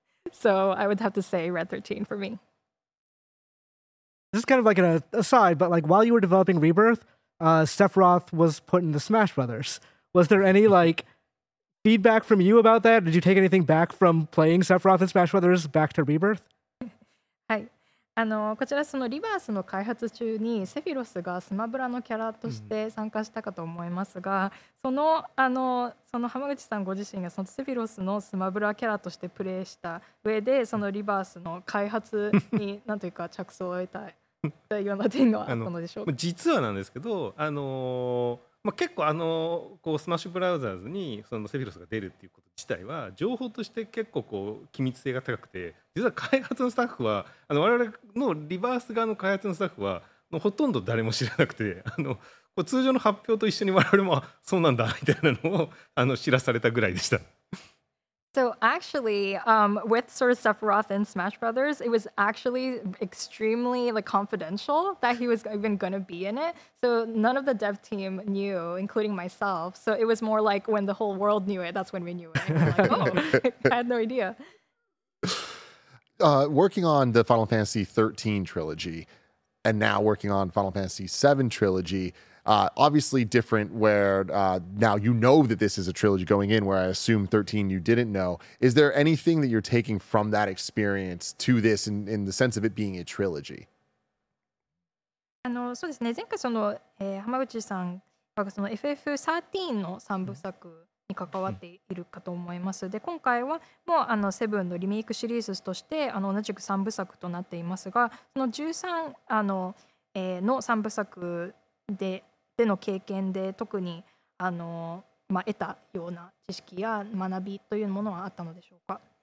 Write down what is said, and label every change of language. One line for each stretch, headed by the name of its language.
English: So I would have to say Red 13 for me. This is kind of like an aside, but like while you were developing Rebirth, Sephiroth was put in the Smash Brothers. Was there any like feedback from you about that? Did you take anything back from playing Sephiroth in Smash Brothers back to Rebirth?
Japanese: はい、あのこちらそのリバースの開発中にセフィロスがスマブラのキャラとして参加したかと思いますが、うん、その浜口さんご自身がそのセフィロスのスマブラキャラとしてプレイした上でそのリバースの開発に何というか着想を得たというような点があったのでしょうか。実はなんですけど、まあ、結構こうスマッシュブラウザーズにそのセフィロスが出るっていうこと自体は情報として結構こう機密性が高くて、実は開発のスタッフは我々のリバース側の開発のスタッフはほとんど誰も知らなくて、こう通常の発表と一緒に我々もそうなんだみたいなのを知らされたぐらいでした。
English: So actually, with sort of Sephiroth and Smash Brothers, it was actually extremely like confidential that he was even going to be in it. So none of the dev team knew, including myself. So it was more like when the whole world knew it, that's when we knew it. Like, oh, I had no idea. Working on the Final Fantasy 13 trilogy, and now working on Final Fantasy 7 trilogy, obviously different where now you know that this is a trilogy going in, where I assume 13 you didn't know. Is there anything that you're taking from that experience to this in the sense of it being a trilogy?
Japanese: そうですね、前回その、浜口さんがその FF13 の三部作に関わっているかと思います。で、今回はもうセブンのリメイクシリーズとして同じく三部作となっていますが、その13の三部作での経験で特にまあ、得たような知識や学びというものはあったのでしょうか。